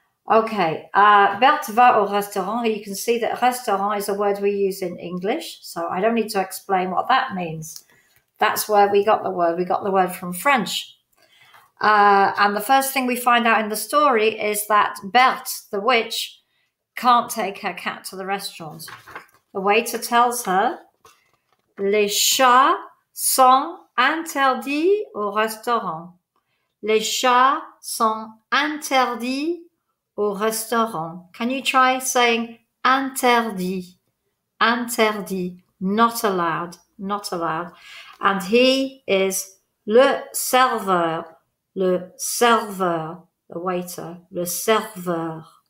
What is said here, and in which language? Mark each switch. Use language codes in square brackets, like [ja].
[en] Okay, [fr] Berthe va au restaurant. [en] You can see that restaurant is a word we use in English, so I don't need to explain what that means. That's where we got the word. We got the word from French. And the first thing we find out in the story is that Berthe, the witch, can't take her cat to the restaurant. The waiter tells her, [fr] les chats sont interdits au restaurant. Les chats sont interdits au restaurant. [en] Can you try saying interdit? Interdit, not allowed, not allowed. And he is le serveur, the waiter, le serveur.